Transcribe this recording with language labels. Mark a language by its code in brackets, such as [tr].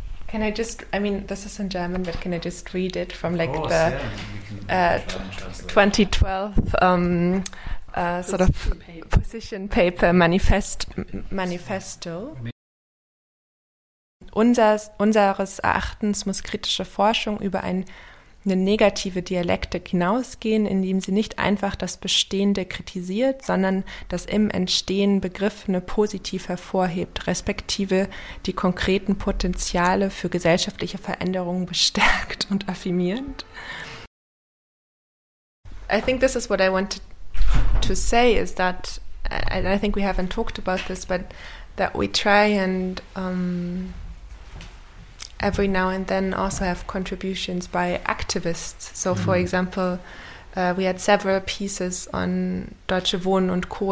[en] This is in German, but can I just read it from, like, course, the 2012 sort of position paper manifesto? [de] Unseres Erachtens muss kritische Forschung über eine negative Dialektik hinausgehen, indem sie nicht einfach das Bestehende kritisiert, sondern das im Entstehen Begriffene positiv hervorhebt, respektive die konkreten Potenziale für gesellschaftliche Veränderungen bestärkt und affirmiert. [en] I think this is what I wanted to say, is that, and I think we haven't talked about this, but that we try and every now and then also have contributions by activists. So, for example, we had several pieces on Deutsche Wohnen und Co.